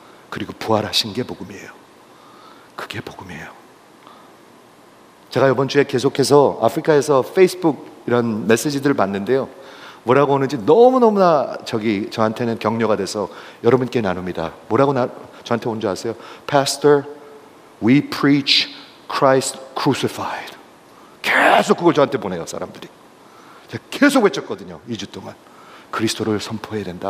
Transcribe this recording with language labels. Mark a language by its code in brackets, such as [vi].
[ko] 그리고 부활하신 게 복음이에요. 그게 복음이에요. 제가 이번 주에 계속해서 아프리카에서 페이스북 이런 메시지들을 봤는데요, 뭐라고 오는지 너무너무나 저기 저한테는 격려가 돼서 여러분께 나눕니다. 뭐라고 저한테 온 줄 아세요? [en] Pastor, we preach Christ crucified. [ko] 계속 그걸 저한테 보내요, 사람들이. 제가 계속 외쳤거든요, 2주 동안. 그리스도를 선포해야 된다.